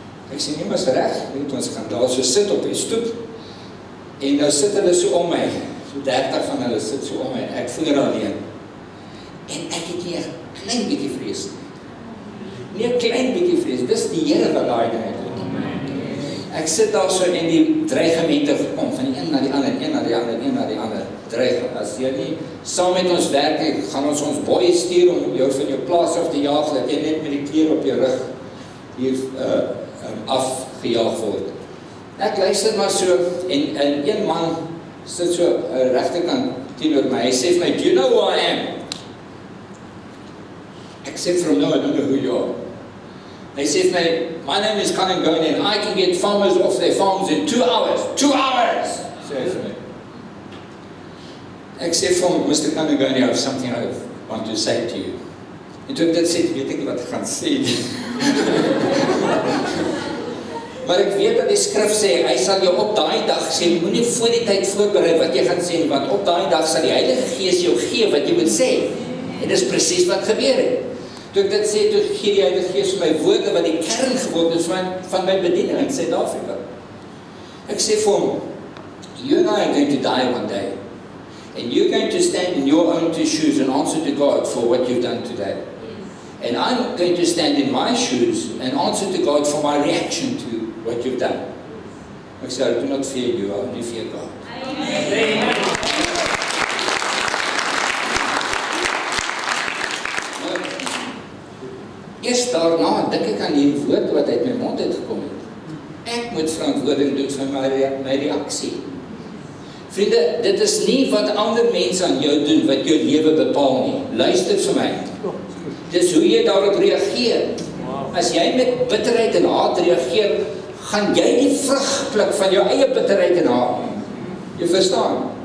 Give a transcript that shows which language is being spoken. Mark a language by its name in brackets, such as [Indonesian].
[Afrikaans] Ek sê, nie maar so reg, weet ons gaan daar so sit op die stoep en nou sit hulle so om my, so 30 van hulle sit so om my, ek voel hulle alleen. En ek het nie een klein bykie vrees nie. Nie een klein bykie vrees, dis die Heere wat daar die dinge doen. Ek sit daar so in die dreigemente gekom, van die een na die ander, een na die ander, een na die ander, dreigem. As jy nie saam met ons werk, gaan ons ons boy stuur om jou van jou plaas af te jaag, dat jy net met die kleer op jou rug hier afgejaag word. Ek luister maar so, en een man sit so rechterkant teen oor my, hy sê vir my, [English] do you know who I am? [Afrikaans] Ek sê vir hom nou, ek noemde hoe jy al. Hy sê vir my, my naam is [English] Colin Goney and I can get farmers off their farms in 2 hours. 2 hours! [Afrikaans] Sê hy vir my. Ek sê vir hom, Mr. [English] Colin Goney, I have something I want to say to you. [Afrikaans] En toe ek dit sê, weet ek wat ek gaan sê. Maar ek weet dat die skrif sê, hy sal jou op die dag sê, moet nie voor die tijd voorbereid wat jy gaan sê, want op die dag sal die Heilige Geest jou gee wat jy moet sê. En dis precies wat gebeur het. Toe ek dit sê, toe gee die Heilige Geest my woorde wat die kern geword is van my bediening in Suid-Afrika. Ek sê vir hom, [English] you and I are going to die one day. And you're going to stand in your own two shoes and answer to God for what you've done today. Yes. And I'm going to stand in my shoes and answer to God for my reaction to what you've done. [Afrikaans] Ek sê, [English] I do not fear you, I only fear God. Amen. Amen. [Afrikaans] Eers daarna, dink ek aan die woord wat uit my mond uitgekom het. Ek moet verantwoording doen vir my reaksie. Vriende, dit is nie wat ander mense aan jou doen, wat jou lewe bepaal nie. Luister vir my. Dis hoe jy daarop reageer. As jy met bitterheid en haat reageer, gaan jy die vrug pluk van jou eie bitterheid en haat. Jy verstaan?